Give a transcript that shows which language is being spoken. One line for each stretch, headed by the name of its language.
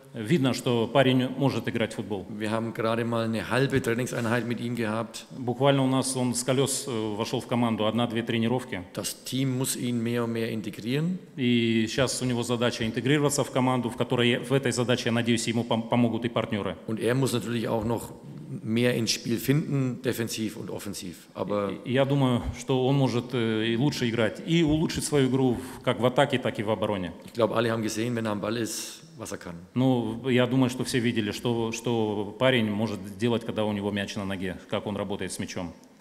Russian: Видно, что парень может играть в футбол.
German: Wir haben gerade mal eine halbe Trainingseinheit mit ihm gehabt.
Russian: Буквально у нас он с колес вошел в команду, 1-2 тренировки.
German: Das Team muss ihn mehr und mehr integrieren.
Russian: И сейчас у него задача интегрироваться в команду, в которой в этой задаче, я надеюсь, ему помогут и партнеры.
German: Und er muss natürlich auch noch mehr ins Spiel finden, defensiv und offensiv. Aber
Russian: я думаю, что он может и лучше играть, и улучшить свою игру как в атаке, так и в обороне.
German: Ich glaube, alle haben gesehen, wenn er am Ball ist, was er kann.
Russian: Ну, я думаю, что все видели, что парень может делать, когда у него мяч на ноге, как он работает с мячом.